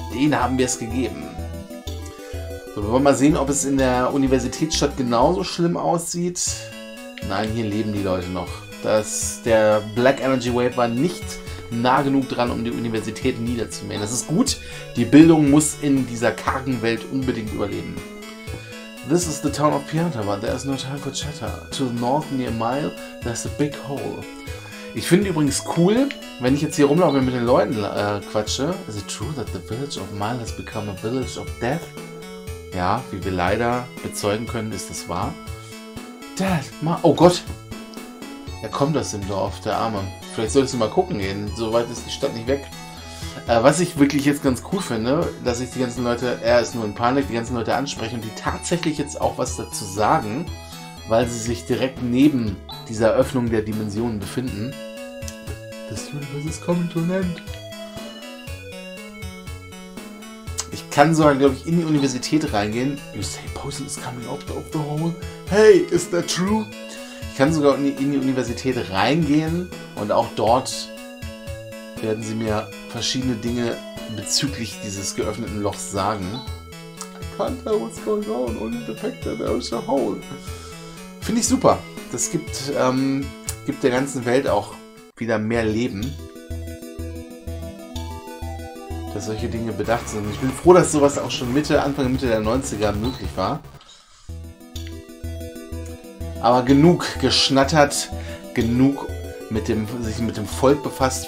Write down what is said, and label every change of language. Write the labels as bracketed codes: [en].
[de] Denen haben wir es gegeben. So, wir wollen mal sehen, ob es in der Universitätsstadt genauso schlimm aussieht. Nein, hier leben die Leute noch. Der Black Energy Wave war nicht nah genug dran, um die Universität niederzumähen. Das ist gut. Die Bildung muss in dieser kargen Welt unbedingt überleben. [en] This is the town of Pianta, but there is no time for chatter. To the north near Mile, there's a big hole. [de] Ich finde übrigens cool, wenn ich jetzt hier rumlaufe und mit den Leuten quatsche. [en] Is it true that the village of Mile has become a village of death? [de] Ja, wie wir leider bezeugen können, ist das wahr. Dad, Ma, oh Gott! Er kommt aus dem Dorf, der Arme. Vielleicht solltest du mal gucken gehen, so weit ist die Stadt nicht weg. Was ich wirklich jetzt ganz cool finde, dass ich die ganzen Leute, er ist nur in Panik, die ganzen Leute anspreche und die tatsächlich jetzt auch was dazu sagen, weil sie sich direkt neben dieser Öffnung der Dimensionen befinden. Das Universum ist [en] coming to an end. [de] Ich kann sogar, glaube ich, in die Universität reingehen. [en] You say poison is coming out of the hole? Hey, is that true? [de] Ich kann sogar in die Universität reingehen und auch dort werden sie mir verschiedene Dinge bezüglich dieses geöffneten Lochs sagen. [en] I can't tell what's going on, only the fact that there is a hole. [de] Finde ich super. Das gibt, gibt der ganzen Welt auch wieder mehr Leben. Dass solche Dinge bedacht sind. Ich bin froh, dass sowas auch schon Anfang Mitte der 90er möglich war. Aber genug geschnattert, genug sich mit dem Volk befasst.